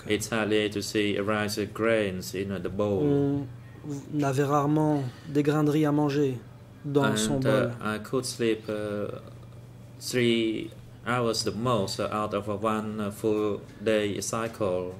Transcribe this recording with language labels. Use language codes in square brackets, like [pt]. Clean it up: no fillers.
[en] It's hardly to see rice grains in the bowl. [fr] On avait rarement des grains de riz à manger dans [en] and, [fr] son bol. [en] I could sleep 3 hours the most out of a one full day cycle.